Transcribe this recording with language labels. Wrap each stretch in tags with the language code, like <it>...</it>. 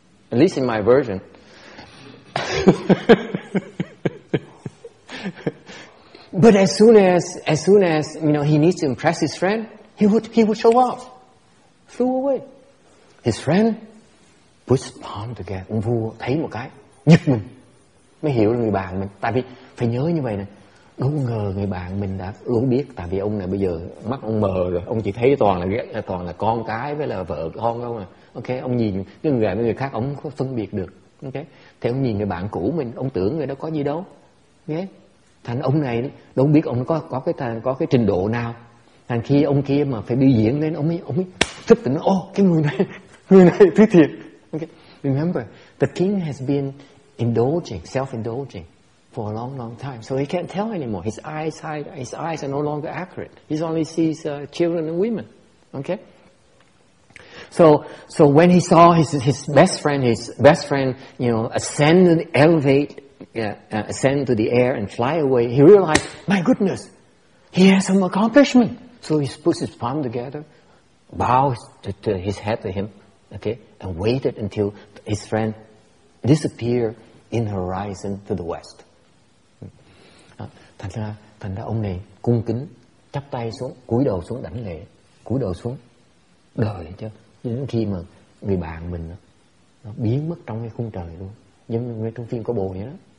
<en>At least in my version. But as soon as you know he needs to impress his friend, he would show off, flew away. His friend puts his palm together.</en> <vi>Ông vua thấy một cái giật mình, mới hiểu là người bạn mình. Tại vì phải nhớ như vậy nè, đâu ngờ người bạn mình đã luôn biết. Tại vì ông này bây giờ mắt ông mờ rồi, ông chỉ thấy toàn là con cái với là vợ con đâu mà. Ok, ông nhìn cái người bạn với người khác ông không phân biệt được. Ok, thì ông nhìn người bạn cũ mình, ông tưởng người đó có gì đâu. Okay. Thành ông này đâu biết ông có cái trình độ nào. Thành khi ông kia mà phải biểu diễn lên, ông ấy thức tỉnh, ô, cái người này thứ thiệt.</vi> <en>Okay. Remember, the king has been self-indulging for a long, long time. So he can't tell anymore. His eyes are no longer accurate. He only sees children and women. Okay? So when he saw his best friend, you know, ascend to the air and fly away, he realized, my goodness, he has some accomplishment. So he puts his palm together, bows to his head to him, okay, and waited until his friend disappeared in the horizon to the west.</en> <vi>Thành ra ông này cung kính, chắp tay xuống, cúi đầu xuống đảnh lễ, cúi đầu xuống đợi cho đến khi mà người bạn mình nó biến mất trong cái khung trời luôn, giống như ngay trong phim có bồ vậy đó.</vi>